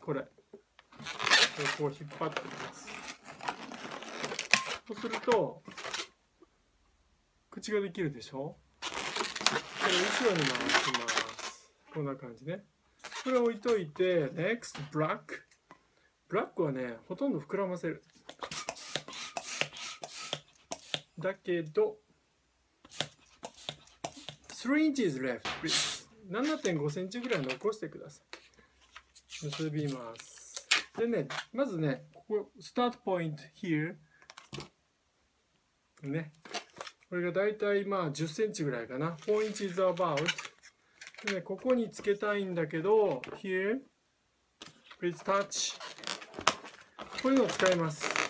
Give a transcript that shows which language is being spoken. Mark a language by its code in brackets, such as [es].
[ja] これをこう引っ張ってみます。そうすると口ができるでしょ。これを後ろに回します。こんな感じね。これを置いといて、 [en] next black。 [ja] ブラックはね、ほとんど膨らませる。だけど、 [en] 3 inches left, please. [ja] 7.5センチぐらい残してください。結びます。でね、まずね、ここ、スタートポイント、 here ね、これがだいたいまあ10センチぐらいかな。 4 inches about でね、ここにつけたいんだけど、 [en] here please touch。 [ja] こういうのを使います。